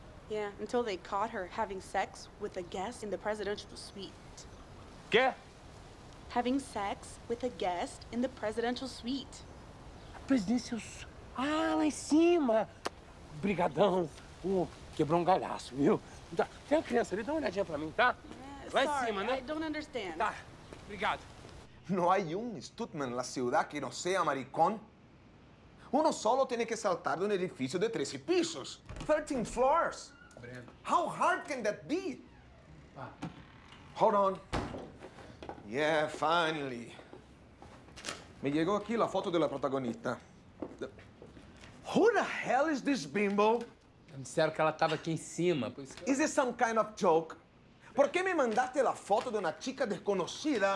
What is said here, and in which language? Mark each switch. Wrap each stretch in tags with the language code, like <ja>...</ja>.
<en>Yeah, until they caught her having sex with a guest in the presidential suite.</en> <pt>Quê?</pt> <en>Having sex with a guest in the presidential suite.</en> <pt>Presidências. Ah, lá em cima! Brigadão! Quebrou um galhaço, viu? Tem uma criança ali, dá uma olhadinha pra mim, tá? Lá</pt> <en>sorry,</en> <pt>em cima, né?</pt> <en>I don't understand.</en> <pt>Tá. Obrigado. Não há um stuntman na cidade que não seja maricón.</pt> <es>Uno solo tiene que saltar de un edificio de 13 pisos.</es> <en>13 floors. Breno. How hard can that be? Pa. Hold on. Yeah, finally.</en> <es>Me llegó aquí la foto de la protagonista.</es> <en>Who the hell is this bimbo?</en> <pt>Me disseram que ela estava aqui em cima. Por isso que...</pt> <en>Is this some kind of joke?</en> <es>Por que me mandaste la foto de una chica desconocida?</es>